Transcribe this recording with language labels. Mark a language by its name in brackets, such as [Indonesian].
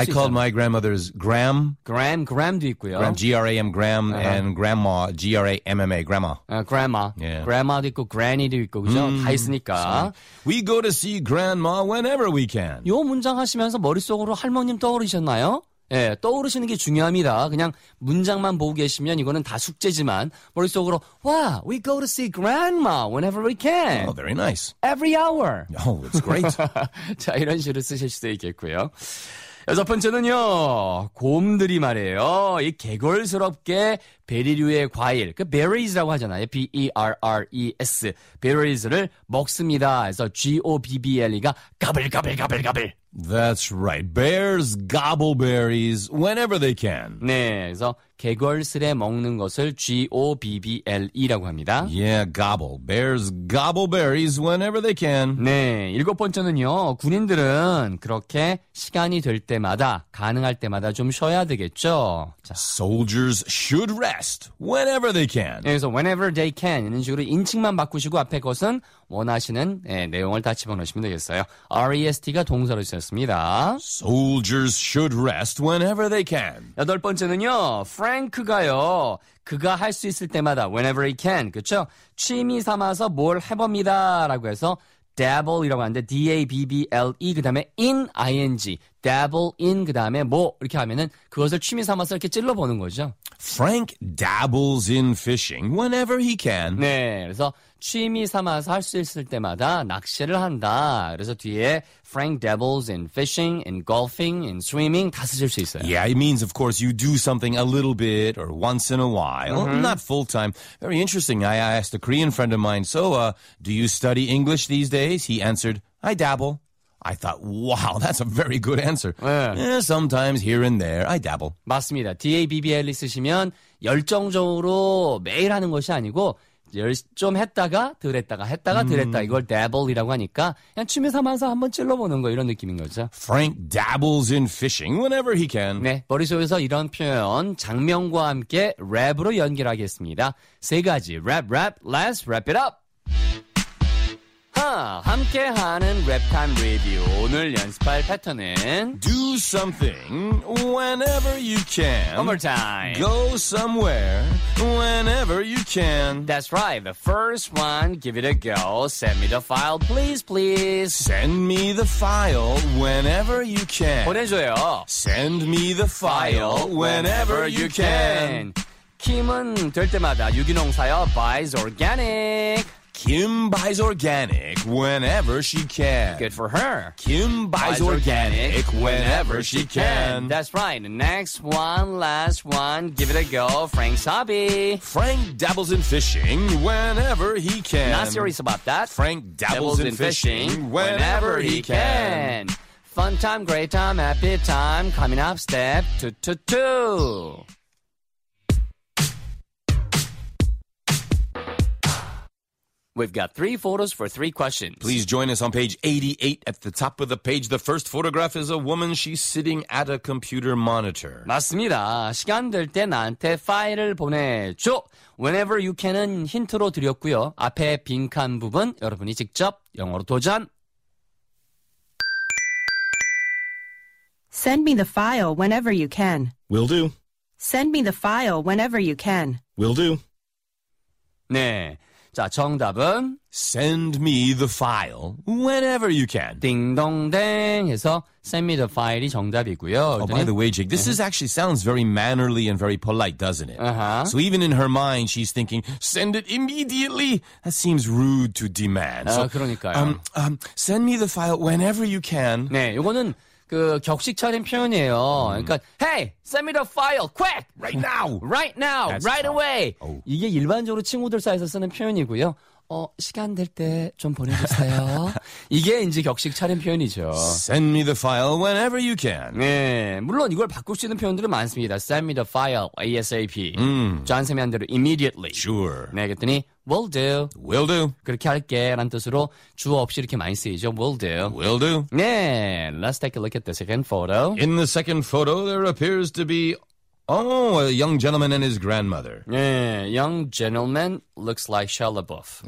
[Korean] 있어요. [English] I called my grandmother's Gram. [Korean] Gram, Gram도 있고요. [English] Gram, G-R-A-M, Gram, uh-huh. and Grandma, G-R-A-M-M-A, Grandma. Grandma. Yeah. [Korean] Grandma도 있고, Granny도 있고, 그죠? 다 있으니까. [English] So, we go to see Grandma whenever we can. [Korean] 이 문장 하시면서 머릿속으로 할머님 떠오르셨나요? 예, 떠오르시는 게 중요합니다. 그냥 문장만 보고 계시면 이거는 다 숙제지만 머릿속으로 와, [English] wow, we go to see grandma whenever we can. Oh, very nice. Every hour. Oh, it's great. [Korean] 자, 이런 식으로 쓰실 수도 있겠고요. 여섯 번째는요, 곰들이 말이에요. 이 개걸스럽게 베리류의 과일, 그 berries라고 하잖아요. B-E-R-R-E-S. berries를 먹습니다. 그래서 G-O-B-B-L-E가 가불가불가불가불. [English] That's right. Bears gobble berries whenever they can. [Korean] 네, 그래서 개걸스레 먹는 것을 G-O-B-B-L-E라고 합니다. [English] Yeah, gobble. Bears gobble berries whenever they can. [Korean] 네, 일곱 번째는요. 군인들은 그렇게 시간이 될 때마다, 가능할 때마다 좀 쉬어야 되겠죠. 자. [English] Soldiers should rest whenever they can. [Korean] 네, 그래서 [English] whenever they can [Korean] 이런 식으로 인칭만 바꾸시고 앞에 것은 원하시는 네, 내용을 다 집어넣으시면 되겠어요. R-E-S-T가 동사로 쓰였습니다. [English] Soldiers should rest whenever they can. [Korean] 여덟 번째는요. 프랭크가요. 그가 할 수 있을 때마다 [English] whenever he can. [Korean] 그렇죠? 취미 삼아서 뭘 해봅니다라고 해서 dabble이라고 하는데 D-A-B-B-L-E 그다음에 in ing. dabble in 그다음에 뭐 이렇게 하면은 그것을 취미 삼아서 이렇게 찔러 보는 거죠. [English] Frank dabbles in fishing whenever he can. [Korean] 네. 그래서 취미 삼아서 할 수 있을 때마다 낚시를 한다. 그래서 뒤에 [English] Frank dabbles in fishing, in golfing, in swimming [Korean] 다 쓰실 수 있어요. [English] Yeah, it means of course you do something a little bit or once in a while, mm-hmm. not full time. Very interesting. I asked a Korean friend of mine, "So, do you study English these days?" He answered, "I dabble." I thought, wow, that's a very good answer. [Korean] 네. [English] Yeah, sometimes here and there, I dabble. [Korean] 맞습니다. D-A-B-B-L-E 쓰시면 열정적으로 매일 하는 것이 아니고 좀 했다가 덜 했다가 했다가 덜 했다 이걸 dabble이라고 하니까 그냥 취미삼아서 한번 찔러보는 거 이런 느낌인 거죠. [English] Frank dabbles in fishing whenever he can. [Korean] 네, 머릿속에서 이런 표현 장면과 함께 랩으로 연결하겠습니다. 세 가지 랩, [English] let's wrap it up. [Korean] 함께하는 랩타임 리뷰 오늘 연습할 패턴은 [English] Do something whenever you can. One more time. Go somewhere whenever you can. That's right. The first one, give it a go. Send me the file, please, please. Send me the file whenever you can. [Korean] 보내줘요. [English] Send me the file whenever you can. [Korean] 김은 될 때마다 유기농 사요. [English] Buys organic. Kim buys organic whenever she can. Good for her. Kim buys organic whenever she can. That's right. Next one, last one, give it a go. Frank's hobby. Frank dabbles in fishing whenever he can. Not serious about that. Frank dabbles in fishing whenever he can. Fun time, great time, happy time. Coming up, step two, two, two. We've got three photos for three questions. Please join us on page 88 at the top of the page. The first photograph is a woman. She's sitting at a computer monitor. [Korean] 맞습니다. 시간 될 때 나한테 파일을 보내줘. [English] Whenever you can [Korean] 은 힌트로 드렸고요. 앞에 빈칸 부분 여러분이 직접 영어로 도전. [English] Send me the file whenever you can. Will do. Send me the file whenever you can. Will do. [Korean] 네. 자, 정답은 [English] Send me the file whenever you can. [Korean] 딩동댕 해서 [English] Send me the file [Korean] 이 정답이고요. [English] Oh, by the way, Jake, this is actually sounds very mannerly and very polite, doesn't it? Uh-huh. So even in her mind, she's thinking, send it immediately. That seems rude to demand. [Korean] 그러니까요. [English] Send me the file whenever you can. [Korean] 네, 이거는 그 격식처럼 표현이에요. 그러니까 [English] hey, send me the file quick. Right now. Right now. That's right tough. away. Oh. [Korean] 이게 일반적으로 친구들 사이에서 쓰는 표현이고요. 시간 될 때 좀 보내주세요. 이게 이제 격식 차림 표현이죠. [English] Send me the file whenever you can. [Korean] 네, 물론 이걸 바꿀 수 있는 표현들은 많습니다. [English] Send me the file ASAP. [Korean] 저한테 한 대로 immediately. [English] Sure. [Korean] 네, 그랬더니 [English] will do. Will do. [Korean] 그렇게 할게 라는 뜻으로 주어 없이 이렇게 많이 쓰이죠. [English] Will do. Will do. [Korean] 네, [English] let's take a look at the second photo. In the second photo, there appears to be a young gentleman and his grandmother. Yeah, young gentleman looks like Shia LaBeouf.